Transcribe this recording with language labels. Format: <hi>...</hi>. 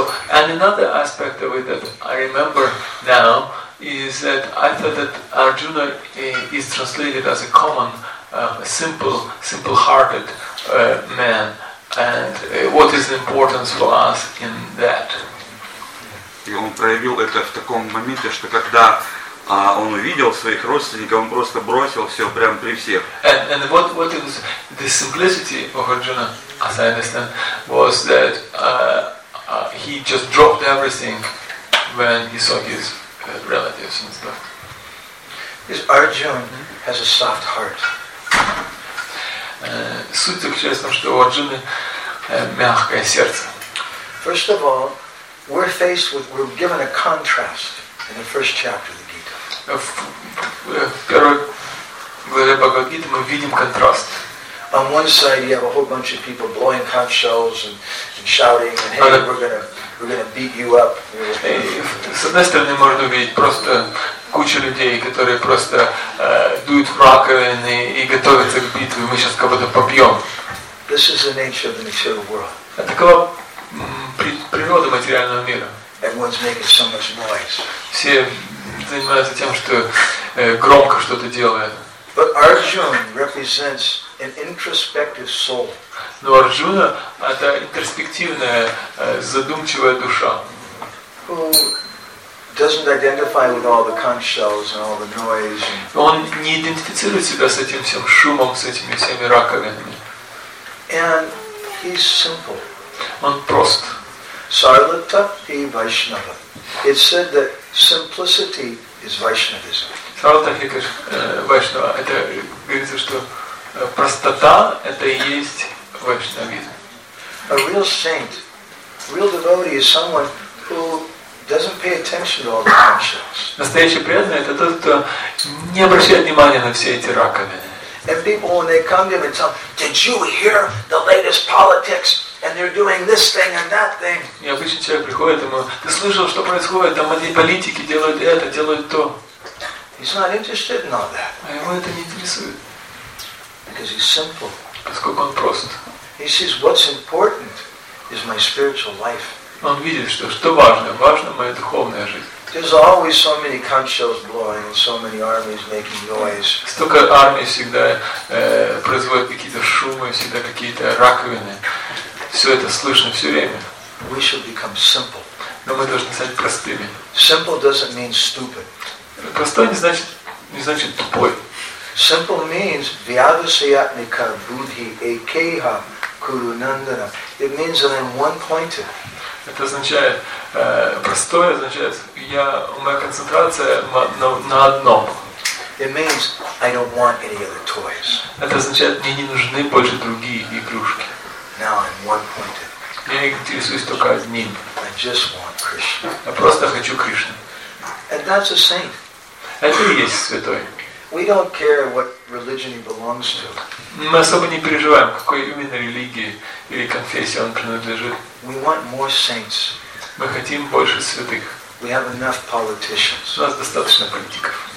<en>And another aspect of it that I remember now is that I thought that Arjuna is translated as a common, simple-hearted man, and what is the importance for us in that?</en> <ru>И он проявил это в таком моменте, что когда он увидел своих родственников, он просто бросил все прямо при всех.</ru> <en>And what was the simplicity of Arjuna, as I understand, was that he just dropped everything when he saw his relatives and stuff. Is Arjuna has a soft heart.</en> <ru>Суть заключается в том, что у Арджуны мягкое сердце.</ru> <en>First of all, we're given a contrast in the first chapter of the Gita.</en> <ru>В Бхагавад Гите мы видим контраст.</ru> <en>On one side you have a whole bunch of people blowing conch shells and shouting and hey, we're gonna beat you up.</en> <ru>С одной стороны можно увидеть просто кучу людей, которые просто дуют в раковины и готовятся к битве. Мы сейчас кого-то побьем.</ru> <en>This is the nature of the material world.</en> <ru>Природа материального мира.</ru> <en>Everyone's making so much noise.</en> <ru>Все занимаются тем, что громко что-то делают.</ru> <en>But Arjuna represents an introspective soul.</en> <ru>Но Арджуна — это интроспективная, задумчивая душа.</ru> <en>Who doesn't identify with all the conch shells and all the noise?</en> <ru>Он не идентифицирует себя с этим всем шумом, с этими всеми раковинами.</ru> <en>And he's simple.</en> <ru>Он прост.</ru> <en>Sarlatapi Vaishnava. It's said that simplicity is Vaishnavism.</en> <ru>Sarlatapi Vaishnava. Это говорится, что простота это и есть Vaishnavism.</ru> <en>A real saint, real devotee is someone who doesn't pay attention to all the conscience.</en> <ru>Настоящий преданный это тот, кто не обращает внимания на все эти раковины.</ru> <en>And people when they come to him and tell, did you hear the latest politics? And they're doing this thing and that thing.</en> <ru>И обычно человек приходит и говорит, ты слышал, что происходит? Там одни политики делают это, делают то.</ru> <en>He's not interested in all that.</en> <ru>А его это не интересует.</ru> <en>Because he's simple.</en> <ru>Поскольку он прост.</ru> <en>He sees what's important is my spiritual life.</en> <ru>Он видит, что важно. Важно моя духовная жизнь.</ru> <en>There's always so many conch shells blowing, so many armies making noise.</en> <ru>Столько армий всегда производят какие-то шумы, всегда какие-то раковины. Все это слышно все время.</ru> <en>We should become simple.</en> <ru>Но мы должны стать простыми.</ru> <en>Simple doesn't mean stupid.</en> <ru>Простой не значит тупой.</ru> <en>Simple means</en> <sa>vyavasayatmika buddhi ekeha kuru nandana.</sa> <en>It means that I'm one-pointed.</en> <ru>Это означает простое означает моя концентрация на одном.</ru> <en>It means I don't want any other toys.</en> <ru>Это означает мне не нужны больше другие игрушки.</ru> <en>Now I'm one-pointed.</en> <ru>Я интересуюсь только одним.</ru> <en>I just want Krishna.</en> <ru>Я просто хочу Кришну.</ru> <en>And that's a saint.</en> <ru>Это и есть святой.</ru> <en>We don't care what religion he belongs to.</en> <ru>Мы особо не переживаем, какой именно религии или конфессии он принадлежит.</ru> <en>We want more saints.</en> <ru>Мы хотим больше святых.</ru> <en>We have enough politicians.</en> <ru>У нас достаточно политиков.</ru>